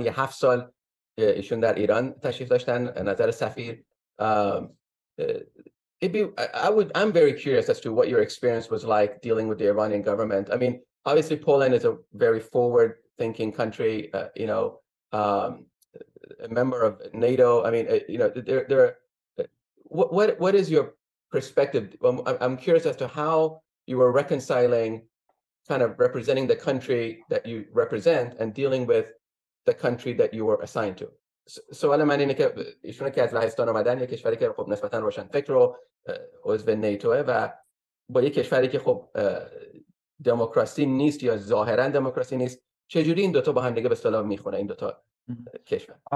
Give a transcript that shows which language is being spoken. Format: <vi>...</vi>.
<fa>یه 7 سال ایشون در ایران تشریف داشتن نظر سفیر.</fa> <en>I'm very curious as to what your experience was like dealing with the Iranian government. I mean, obviously Poland is a very forward thinking country, a member of NATO. I mean, there. What is your perspective? I'm curious as to how you were reconciling, kind of representing the country that you represent and dealing with the country that you were assigned to.</en> <fa>So, سوال من اینه که ایشون که از لهستان اومدن، یک کشوری که خب نسبتاً روشن فکر و عضو ناتو و با یک کشوری که خب دموکراسی نیست یا ظاهراً دموکراسی نیست، چجوری این دوتا با هم دیگه به اصطلاح میخونه این دوتا کشور؟</fa>